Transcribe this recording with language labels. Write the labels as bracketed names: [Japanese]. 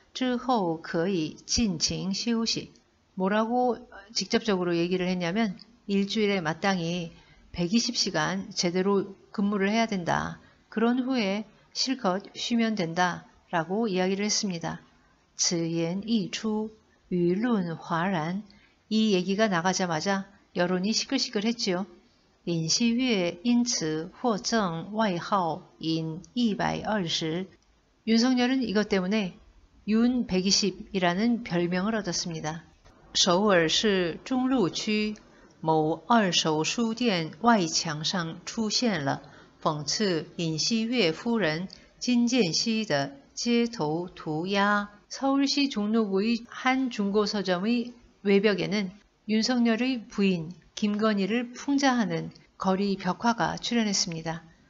[Chinese] 直言一周应该好好工作120小时之后可以尽情休息 [Korean] 뭐라고 직접적으로 얘기를 했냐면 일주일에 마땅히 120시간 제대로 근무를 해야 된다. 그런 후에 실컷 쉬면 된다. 라고 이야기를 했습니다. [Chinese] 此言一出, 舆论哗然. [Korean] 이 얘기가 나가자마자 여론이 시끌시끌했지요. [Chinese] 林希月因此获赠外号인120. [Korean] 윤석열은 이것 때문에 윤120이라는 별명을 얻었습니다. [Chinese] 首尔市中路区 某二手书店外墙上出现了讽刺尹锡悦夫人金建熙的街头涂鸦. [Korean] 서울시 종로구의 한 중고서점의 외벽에는 윤석열의 부인 김건희를 풍자하는 거리 벽화가 출연했습니다.